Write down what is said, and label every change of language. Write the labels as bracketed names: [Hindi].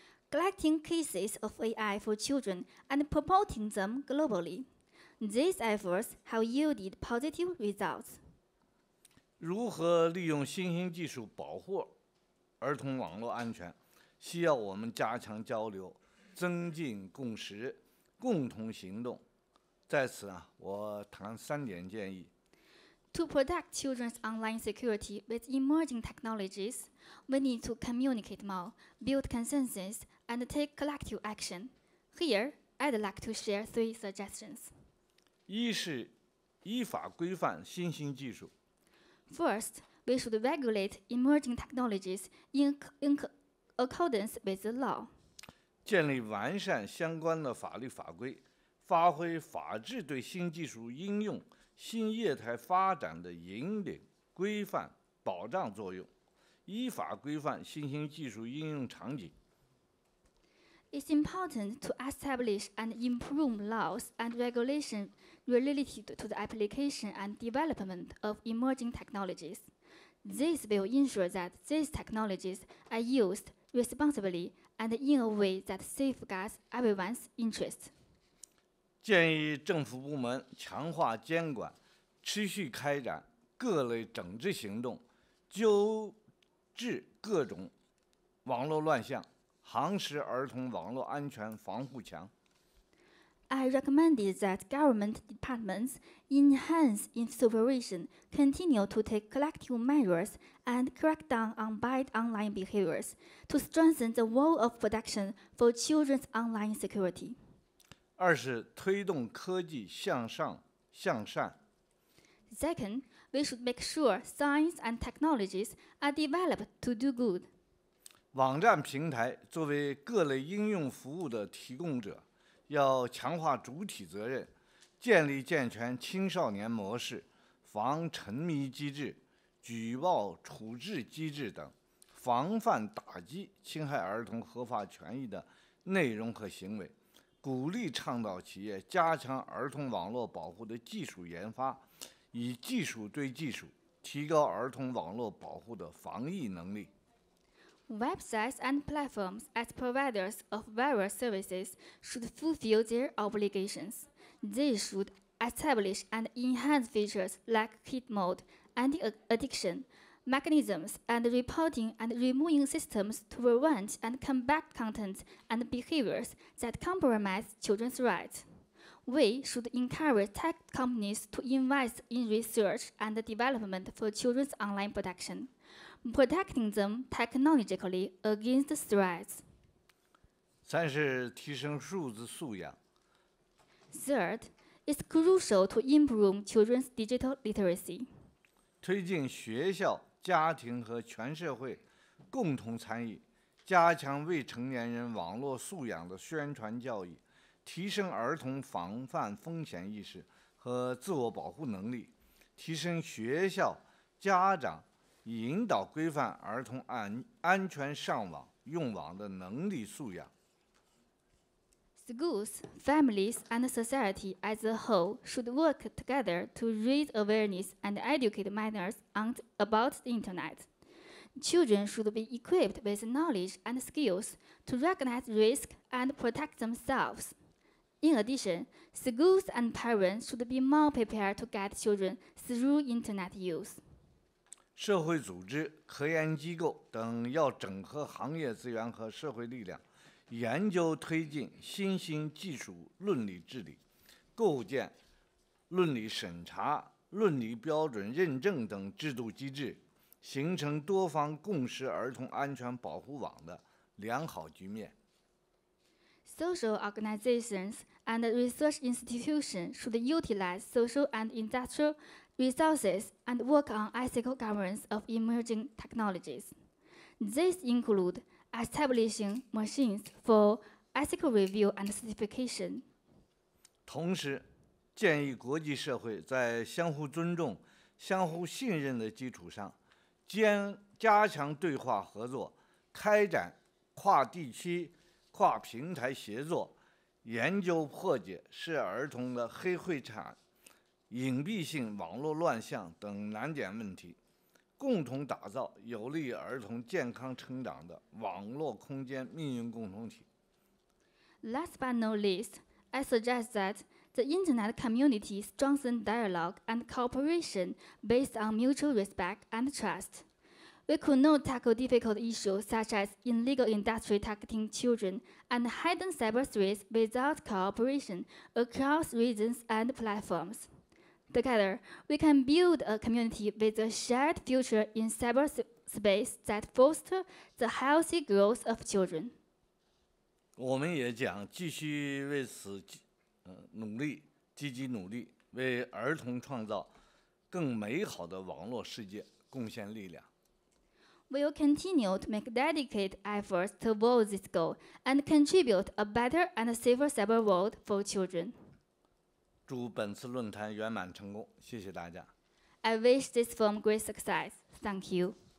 [English] Collecting cases of AI for children and promoting them globally. These efforts have yielded positive results. [Chinese] 如何利用新兴技术保护儿童网络安全，需要我们加强交流，增进共识，共同行动。在此啊，我谈三点建议。 [English] To protect children's online security with emerging technologies, we need to communicate more, build consensus, and take collective action. Here, I'd like to share three suggestions. [Chinese] 一是依法规范新兴技术。 [English] First, we should regulate emerging technologies in accordance with the law. [Chinese] 建立完善相关的法律法规，发挥法治对新技术应用新业态发展的引领、规范、保障作用，依法规范新兴技术应用场景。 [English] It's important to establish and improve laws and regulation related to the application and development of emerging technologies. This will ensure that these technologies are used responsibly and in a way that safeguards everyone's interests. [Chinese] 建议政府部门强化监管，持续开展各类整治行动，纠治各种网络乱象，夯实儿童网络安全防护墙。 [English] I recommended that government departments enhance in supervision, continue to take collective measures, and crack down on bad online behaviors to strengthen the role of protection for children's online security. [Chinese] 二是推动科技向上向善。 [English] Second, we should make sure science and technologies are developed to do good. [Chinese] 网站平台作为各类应用服务的提供者，要强化主体责任，建立健全青少年模式，防沉迷机制、举报处置机制等，防范打击侵害儿童合法权益的内容和行为，鼓励倡导企业加强儿童网络保护的技术研发，以技术对技术，提高儿童网络保护的防疫能力。 [English] Websites and platforms as providers of various services should fulfill their obligations. They should establish and enhance features like hit mode, anti-addiction mechanisms, and reporting and removing systems to prevent and combat content and behaviors that compromise children's rights. We should encourage tech companies to invest in research and development for children's online protection. Protecting them technologically against threats. [Chinese] 三是提升数字素养。 [English] Third, it's crucial to improve children's digital literacy. [Chinese] 推进学校、家庭和全社会共同参与，加强未成年人网络素养的宣传教育，提升儿童防范风险意识和自我保护能力，提升学校、家长引导规范儿童安全上网用网的能力素养。 [English] Schools, families, and society as a whole should work together to raise awareness and educate minors about the internet. Children should be equipped with knowledge and skills to recognize risk and protect themselves. In addition, schools and parents should be more prepared to guide children through internet use. [Chinese] 社会组织、科研机构等要整合行业资源和社会力量，研究推进新兴技术伦理治理，构建伦理审查、伦理标准认证等制度机制，形成多方共识儿童安全保护网的良好局面。 [English] Social organizations and research institutions should utilize social and industrialresources and work on ethical governance of emerging technologies. These include establishing machines for ethical review and certification. [Chinese] 同时，建议国际社会在相互尊重、相互信任的基础上，加强对话合作，开展跨地区、跨平台协作，研究破解涉儿童的黑会产隐蔽性网络乱象等难点问题，共同打造有利于儿童健康成长的网络空间命运共同体。 [English] Last but not least, I suggest that the internet community strengthen dialogue and cooperation based on mutual respect and trust. We could not tackle difficult issues such as illegal industry targeting children and hidden cyber threats without cooperation across regions and platforms. Together, we can build a community with a shared future in cyberspace that fosters the healthy growth of children. [Chinese] 我们也将继续为此努力，积极努力，为儿童创造更美好的网络世界贡献力量。 [English] We will continue to make dedicated efforts towards this goal and contribute a better and safer cyber world for children. [Chinese] 祝本次论坛圆满成功，谢谢大家。 [English] I wish this forum great success. Thank you.